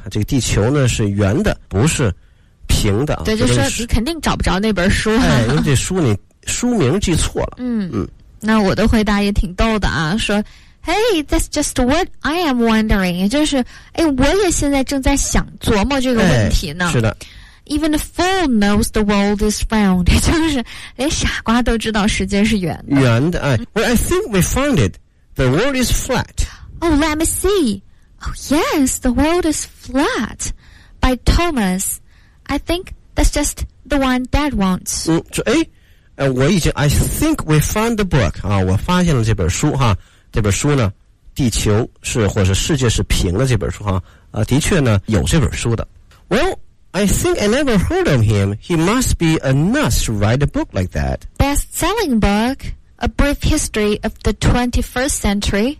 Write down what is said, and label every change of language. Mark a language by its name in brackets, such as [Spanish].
[Chinese] 这个地球呢是圆的，不是平的。对，就说你肯定找不着那本书了。哎，因为这书你书名记错了。那我的回答也挺逗的啊，说 ， [English] Hey, that's just what I am wondering. [Chinese] 也就是，哎，我也现在正在想琢磨这个问题呢。哎、是的。 [English] Even a fool knows the world is round. [Chinese] 就是连傻瓜都知道世界是圆的。圆的，哎。 [English] Well, I think we found it. The world is flat. Oh, let me see. Oh, yes, the world is flat. By Thomas. I think that's just the one Dad wants. [Chinese] 嗯，哎，我已经 [English] I think we found the book. [Chinese] 啊，我发现了这本书哈。这本书呢，地球是或是世界是平的这本书哈。的确呢，有这本书的。 [English] Well. I think I never heard of him. He must be a nut to write a book like that. Best-selling book, A Brief History of the 21st Century.